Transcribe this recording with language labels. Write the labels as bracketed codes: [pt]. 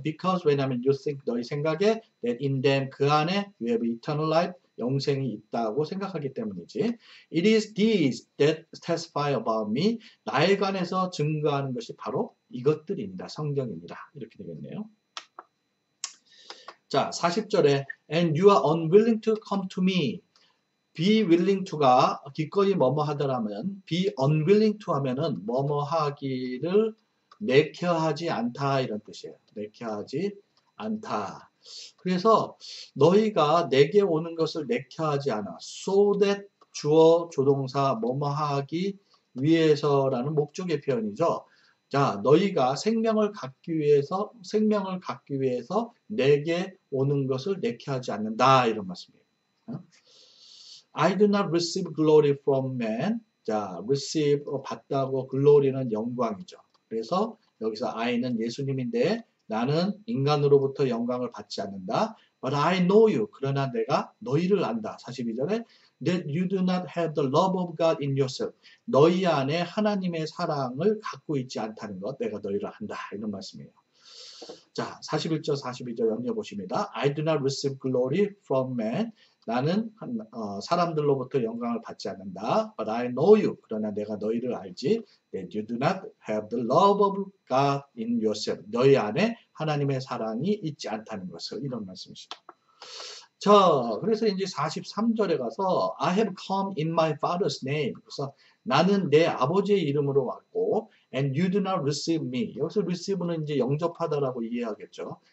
[en] Because [ko] 왜냐하면 [en] you think [ko] 너희 생각에 [en] that in them [ko] 그 안에 [en] you have eternal life [ko] 영생이 있다고 생각하기 때문이지. [en] It is these that testify about me. [ko] 나에 관해서 증거하는 것이 바로 이것들입니다. 성경입니다. 이렇게 되겠네요. 자, 40절에 [en] and you are unwilling to come to me. be willing to [ko] 가 기꺼이 뭐뭐 하더라면 [en] be unwilling to [ko] 하면은 뭐뭐 하기를 내켜하지 않다 이런 뜻이에요. 내켜하지 않다. 그래서 너희가 내게 오는 것을 내켜하지 않아. [en] so that [ko] 주어 조동사 뭐뭐 하기 위해서라는 목적의 표현이죠. 자, 너희가 생명을 갖기 위해서 내게 오는 것을 내켜하지 않는다 이런 말씀이에요. [en] I do not receive glory from man. [ko] 자, receive 받다고 glory는 영광이죠. 그래서 여기서 I는 예수님인데 나는 인간으로부터 영광을 받지 않는다. [en] But I know you. [ko] 그러나 내가 너희를 안다. 42절에 [en] that you do not have the love of God in yourself. [ko] 너희 안에 하나님의 사랑을 갖고 있지 않다는 것 내가 너희를 안다. 이런 말씀이에요. 자, 41절, 42절 연결 보십니다. [en] I do not receive glory from man. [ko] 나는 사람들로부터 영광을 받지 않는다. [en] But I know you. [ko] 그러나 내가 너희를 알지. [en] That you do not have the love of God in yourself. [ko] 너희 안에 하나님의 사랑이 있지 않다는 것을. 이런 말씀이시죠. 자, 그래서 이제 43절에 가서 [en] I have come in my father's name. [ko] 그래서 나는 내 아버지의 이름으로 왔고 [en] and you do not receive me. [ko] 여기서 receive는 이제 영접하다라고 이해하겠죠.